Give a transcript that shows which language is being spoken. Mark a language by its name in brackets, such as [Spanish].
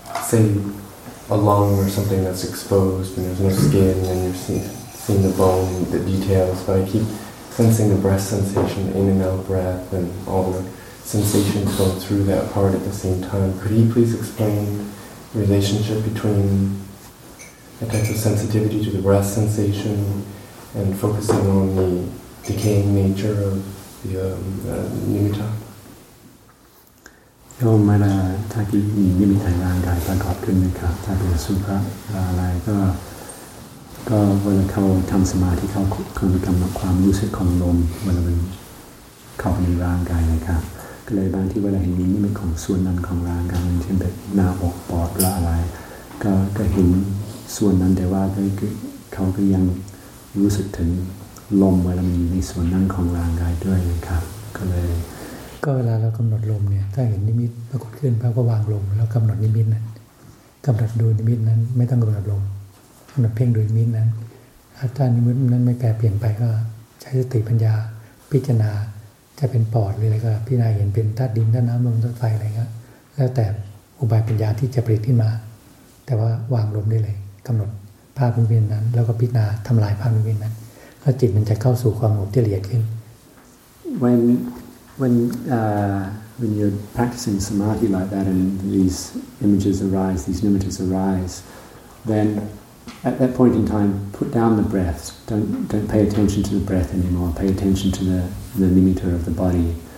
[English] say a lung or something that's exposed and there's no skin and you're seeing the bone, the details, but I keep sensing the breath sensation, the in and out breath and all the sensations going through that part at the same time. Could he please explain the relationship between a type of sensitivity to the breath sensation and focusing on the decaying nature of the nimitta? [Thai] โยมมาแล้วถ้าที่มีนิมิตในร่างกายประกอบขึ้นนะครับถ้าเป็นสุภาพอะไรก็เวลาเขาทำสมาธิเขาคงมีกำลังความรู้สึกของลมเวลามันเข้าในร่างกายนะครับก็เลยบางที่เวลาเห็นนิมิตเป็นของส่วนนั้นของร่างกายเช่นแบบหน้าอกปอดหรืออะไรก็เห็นส่วนนั้นแต่ว่าเขาก็ยังรู้สึกถึงลมเวลามันอยู่ในส่วนนั้นของร่างกายด้วยนะครับก็เลย ก็เวลาเรากำหนดลมเนี่ยถ้าเห็นนิมิตปรากฏขึ้นเราก็วางลมแล้วกำหนดนิมิตนั้นกำหนดดูนิมิตนั้นไม่ต้องกำหนดลมกำหนดเพ่งดูนิมิตนั้นถ้านิมิตนั้นไม่แปรเปลี่ยนไปก็ใช้สติปัญญาพิจารณาจะเป็นปอดหรืออะไรก็พิจารณาเห็นเป็นธาตุดินธาตุน้ำลมธาตุไฟอะไรก็แล้วแต่อุบายปัญญาที่จะผลิตขึ้นมาแต่ว่าวางลมได้เลยกำหนดภาพนิมิตนั้นแล้วก็พิจารณาทำลายภาพนิมิตนั้นก็จิตมันจะเข้าสู่ความสงบที่ละเอียดขึ้น [English] When you're practicing samadhi like that and these images arise, these nimittas arise, then at that point in time, put down the breath. Don't pay attention to the breath anymore. Pay attention to the nimitta of the body.